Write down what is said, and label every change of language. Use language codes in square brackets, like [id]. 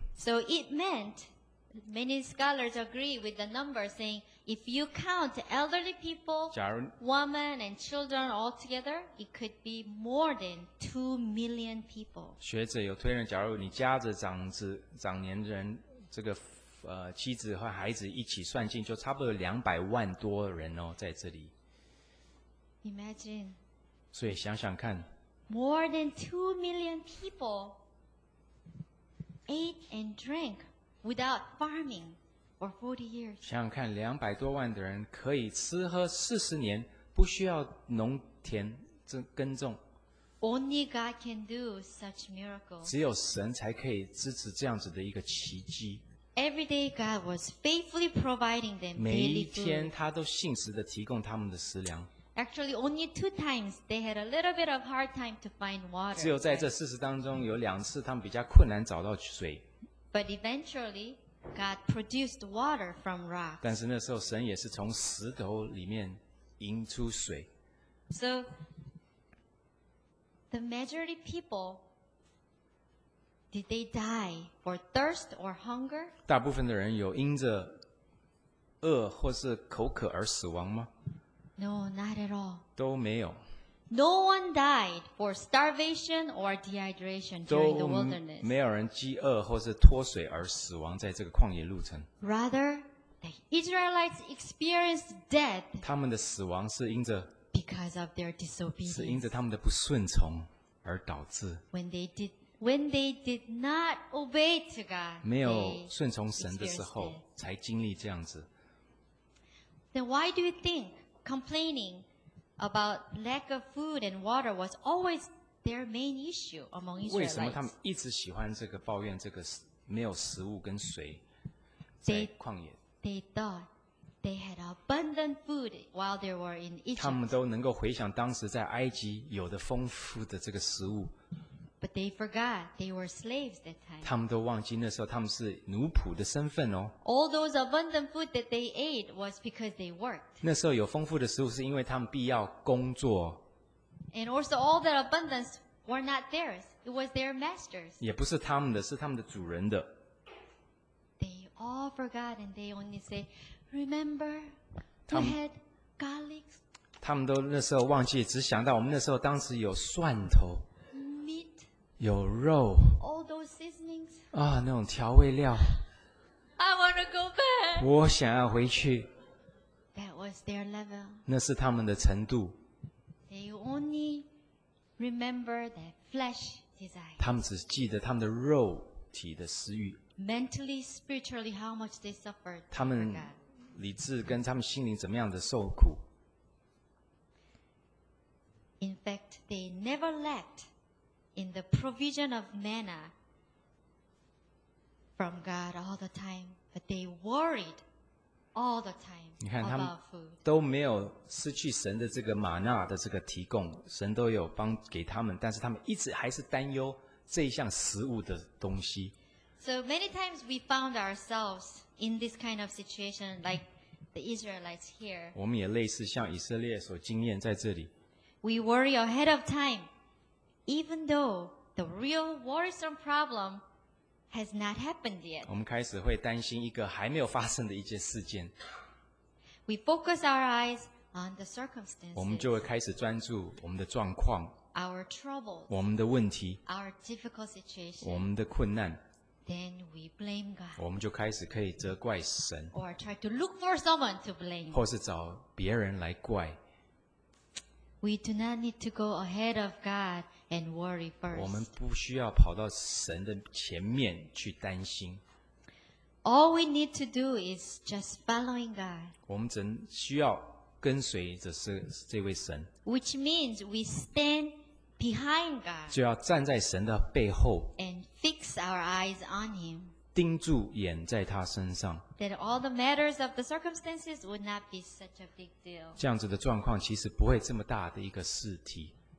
[en] So it meant many scholars agree with the number saying if you count elderly people, women and children all together, it could be more than 2 million people. [zh] 学者有推论，假如你加着长年人这个妻子和孩子一起算进，就差不多200万多人哦，在这里。 [en] Imagine. [zh] 所以想想看 [en] ，more than 2 million people ate and drank without farming. For 40 years. [zh] 想想看，200多万的人可以吃喝40年，不需要农田耕种。 [en] Only God can do such miracles. [zh] 只有神才可以支持这样子的一个奇迹。 [en] Every day, God was faithfully providing them daily food. [zh] 每一天，他都信实的提供他们的食粮。 [en] Actually, only 2 times they had a little bit of hard time to find water. [zh] 只有在这40当中，有2次他们比较困难找到水。 [en] But eventually. God produced water from rock. [zh] 但是那时候神也是从石头里面引出水。 [en] So The majority people, did they die for thirst or hunger? [zh] 大部分的人有因着饿或是口渴而死亡吗？ [en] No, not at all. [zh] 都没有。 [en] No one died for starvation or dehydration during the wilderness. [zh] 没有人饥饿或是脱水而死亡在这个旷野路程。 [en] Rather, the Israelites experienced death. [zh] 他们的死亡是因着 [en] because of their disobedience. [zh] 是因着他们的不顺从而导致。 [en] When they did not obey to God, [zh] 没有顺从神的时候才经历这样子。 [en] Then why do you think complaining about lack of food and water was always their main issue among Israelites? [zh] 为什么他们一直喜欢这个抱怨这个没有食物跟水在旷野？ [en] They thought they had abundant food while they were in Egypt. [zh] 他们都能够回想当时在埃及有的丰富的这个食物。 [en] But they forgot they were slaves that time. [zh] 他们都忘记那时候他们是奴仆的身份哦。 [en] All those abundant food that they ate was because they worked. [zh] 那时候有丰富的食物是因为他们必要工作。 [en] And also all that abundance were not theirs. It was their masters. [zh] 也不是他们的，是他们的主人的。 [en] They all forgot and they only say, "Remember, we had garlic." [zh] 他们都那时候忘记，只想到我们那时候当时有蒜头。有肉 [en] All those seasonings. [zh] 啊，那种调味料。 [en] I want to go back. [zh] 我想要回去。 [en] That was their level. [zh] 那是他们的程度。 [en] They only remember their flesh desire. [zh] 他们只记得他们的肉体的私欲。 [en] Mentally, spiritually, how much they suffered. [zh] 他们理智跟他们心灵怎么样的受苦。 [en] In fact, they never lacked. In the provision of manna from God all the time, but they worried all the time about food. [zh] 你看他们都没有失去神的这个玛纳的这个提供，神都有帮给他们，但是他们一直还是担忧这一项食物的东西。 [en] So many times we found ourselves in this kind of situation, like the Israelites here. [zh] 我们也类似像以色列所经验在这里。 [en] We worry ahead of time. Even though the real worrisome problem has not happened yet, [zh] 我们开始会担心一个还没有发生的一件事件。 [en] We focus our eyes on the circumstances. [zh] 我们就会开始专注我们的状况。 [en] Our troubles. [zh] 我们的问题。 [en] Our difficult situation. [zh] 我们的困难。 [en] Then we blame God. [zh] 我们就开始可以责怪神。 [en] Or try to look for someone to blame. [zh] 或是找别人来怪。 [en] We do not need to go ahead of God. And worry first. [zh] 我们不需要跑到神的前面去担心。 [en] All we need to do is just following God. [zh] 我们只需要跟随着这位神。 [en] Which means we stand behind God. [zh] 就要站在神的背后。 [en] And fix our eyes on Him. [zh] 盯住眼在他身上。 [en] That all the matters of the circumstances would not be such a big deal. [zh] 这样子的状况其实不会这么大的一个事题。